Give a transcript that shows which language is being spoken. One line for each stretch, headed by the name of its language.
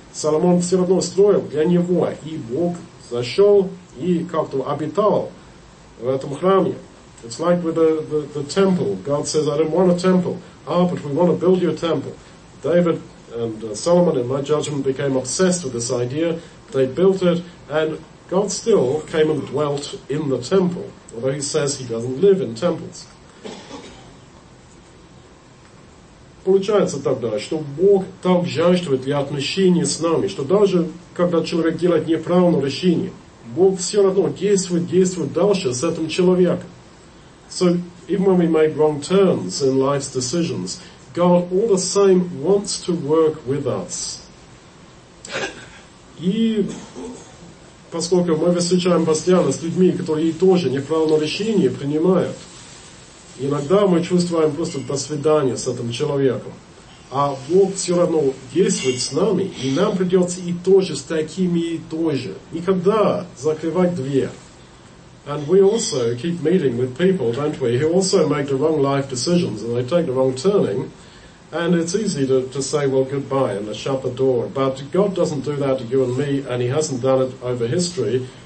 Russian: Соломон все равно строил для него, и Бог зашел и как-то обитал в этом храме.
English: It's like with the temple. God says, I don't want a temple. Ah, but we want to build you a temple. David and Solomon, in my judgment, became obsessed with this idea. They built it, and God still came and dwelt in the temple, although he says he doesn't live in temples.
Russian: Получается тогда, что Бог так жаждует для отношения с нами, что даже когда человек делает неправильное решение, Бог все равно действует дальше с этим человеком.
English: So even when we make wrong turns in life's decisions, God all the same wants to work with us.
Russian: И поскольку мы встречаем постоянно с людьми, которые тоже неправильное решение принимают, иногда мы чувствуем просто до свидания с этим человеком. А Бог все равно действует с нами, и нам придется и тоже с такими и тоже. Никогда закрывать дверь.
English: And we also keep meeting with people, don't we, who also make the wrong life decisions, and they take the wrong turning, and it's easy to say, well, goodbye, and to shut the door. But God doesn't do that to you and me, and he hasn't done it over history.